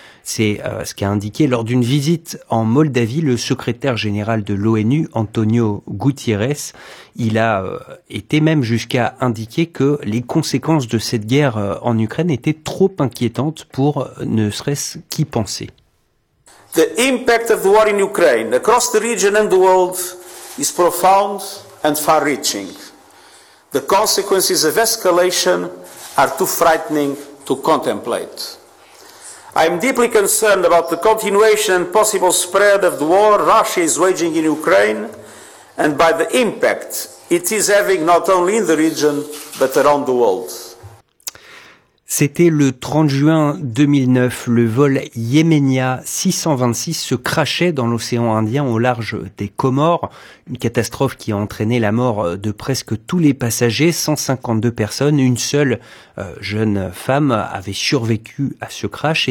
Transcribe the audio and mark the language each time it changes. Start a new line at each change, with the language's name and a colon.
French: C'est ce qu'a indiqué lors d'une visite en Moldavie le secrétaire général de l'ONU, Antonio Guterres. Il a été même jusqu'à indiquer que les conséquences de cette guerre en Ukraine étaient trop inquiétantes pour ne serait-ce qu'y penser.
English: The impact of the war in Ukraine across the region and the world is profound and far-reaching. The consequences of escalation are too frightening to contemplate. I am deeply concerned about the continuation and possible spread of the war Russia is waging in Ukraine and by the impact it is having not only in the region but around the world.
French: C'était le 30 juin 2009, le vol Yemenia 626 se crachait dans l'océan Indien au large des Comores, une catastrophe qui a entraîné la mort de presque tous les passagers, 152 personnes, une seule jeune femme avait survécu à ce crash.